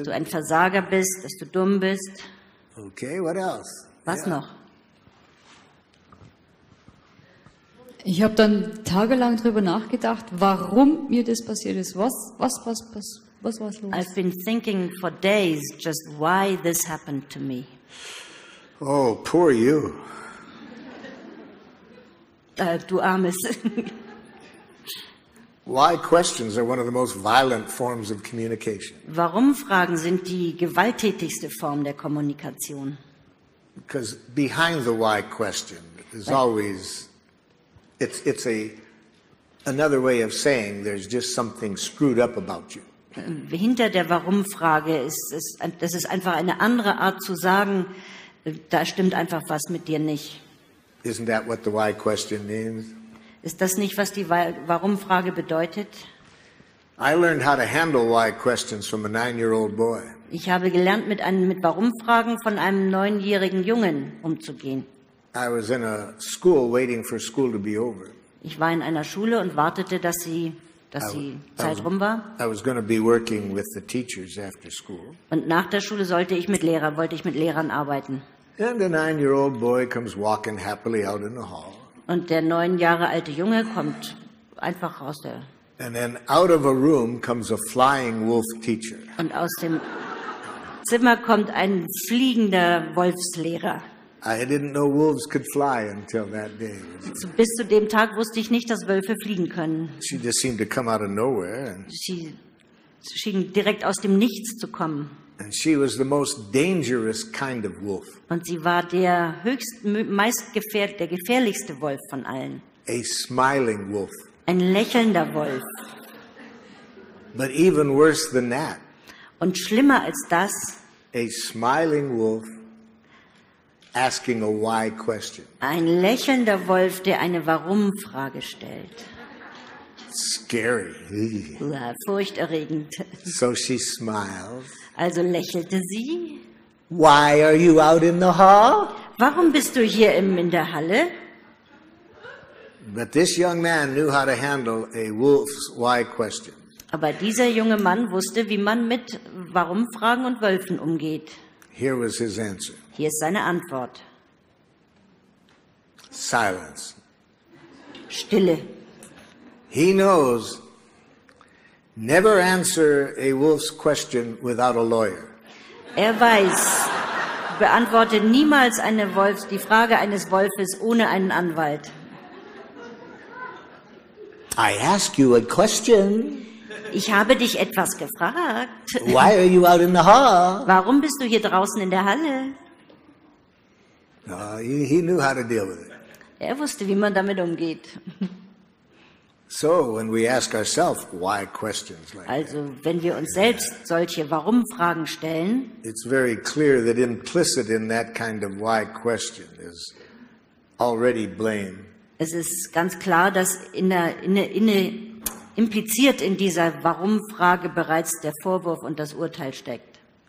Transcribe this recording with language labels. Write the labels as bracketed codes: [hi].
[de] Dass du ein Versager bist, dass du dumm bist. [en] Okay, what else? [de] Was noch? Ich habe dann tagelang darüber nachgedacht, warum mir das passiert ist. Was war's los? [en] I've been thinking for days just why this happened to me. Oh, poor you. [de] Du armes. [en] Why questions are one of the most violent forms of communication? [de] Warum Fragen sind die gewalttätigste Form der Kommunikation? [en] Because behind the why question is always it's another way of saying there's just something screwed up about you. [de] hinter der Warum-Frage ist, das ist einfach eine andere Art zu sagen, da stimmt einfach was mit dir nicht. [en] Isn't that what the why question means? [de] Ist das nicht, was die Warum-Frage bedeutet? [en] I learned how to handle why questions from a 9-year-old boy. [de] Ich habe gelernt, mit Warum-Fragen von einem 9-jährigen Jungen umzugehen. [en] I was in a school waiting for school to be over. [de] Ich war in einer Schule und wartete, dass die Zeit rum war. [en] I was going to be working with the teachers after school. [de] Und nach der Schule wollte ich mit Lehrern arbeiten. [en] And a 9-year-old boy comes walking happily out in the hall. [de] Und der 9 Jahre alte Junge kommt einfach raus der. [en] And then out of a room comes a flying wolf teacher. [de] Und aus dem Zimmer kommt ein fliegender Wolfslehrer. [en] I didn't know wolves could fly until that day. [de] Bis zu dem Tag wusste ich nicht, dass Wölfe fliegen können. [en] She just seemed to come out of nowhere. [de] Sie schien direkt aus dem Nichts zu kommen. [en] And she was the most dangerous kind of wolf. [de] Und sie war der gefährlichste Wolf von allen. [en] A smiling wolf. [de] Ein lächelnder Wolf. [en] But even worse than that. [de] Und schlimmer als das. [en] A smiling wolf. Asking a why question. [de] Ein lächelnder Wolf, der eine Warum-Frage stellt. [en] Scary. [de] Ja, furchterregend. [en] So she smiles. [de] Also lächelte sie. [en] Why are you out in the hall? [de] Warum bist du hier in der Halle? [en] But this young man knew how to handle a wolf's why question. [de] Aber dieser junge Mann wusste, wie man mit Warum-Fragen und Wölfen umgeht. [en] Here was his answer. [de] Hier ist seine Antwort. [en] Silence. [de] Stille. [en] He knows, never answer a wolf's question without a lawyer. [de] Er weiß, beantworte niemals die Frage eines Wolfes ohne einen Anwalt. [en] I ask you a question. [de] Ich habe dich etwas gefragt. [en] Why are you out in the hall? [de] Warum bist du hier draußen in der Halle? [en] He knew how to deal with it. [de] Er wusste, wie man damit umgeht. [en] So, when we ask ourselves why questions like that. [de] Also, wenn wir uns selbst solche Warum-Fragen stellen. [en] It's very clear that implicit in that kind of why question is already blame. [de] Es ist ganz klar, dass impliziert in dieser Warum-Frage bereits der Vorwurf und das Urteil steckt.